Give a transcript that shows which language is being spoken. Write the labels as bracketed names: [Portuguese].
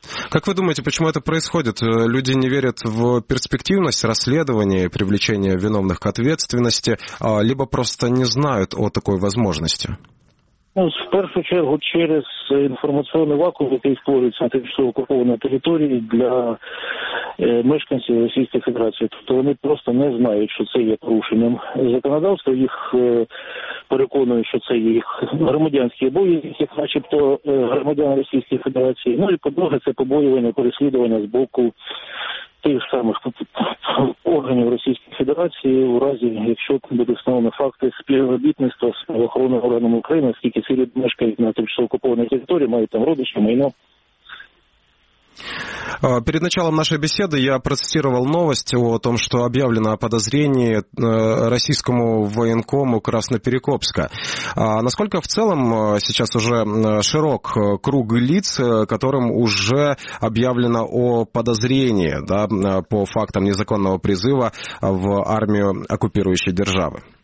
[Russian] Как вы думаете, почему это происходит? Люди не верят в перспективность расследования, привлечения виновных к ответственности, либо просто не знают о такой возможности? [Ukrainian] Ну, в першу чергу, через інформаційний вакуум, який створюється на тимчасово окупованій території для мешканців Російської Федерації. Тобто вони просто не знають, що це є порушенням законодавства. Їх переконують, що це їх громадянські бої, як начебто громадян Російської Федерації. Ну і по-друге, це побоювання, переслідування з боку тих самих органів Російської Федерації у разі, якщо буде встановлено факти співробітництва з правоохоронними органами України, оскільки ці люди мешкають на тимчасово окупованій території, мають там родичі, майно. [Russian] Перед началом нашей беседы я процитировал новость о том, что объявлено о подозрении российскому военкому Красноперекопска. А насколько в целом сейчас уже широк круг лиц, которым уже объявлено о подозрении, да, по фактам незаконного призыва в армию оккупирующей державы?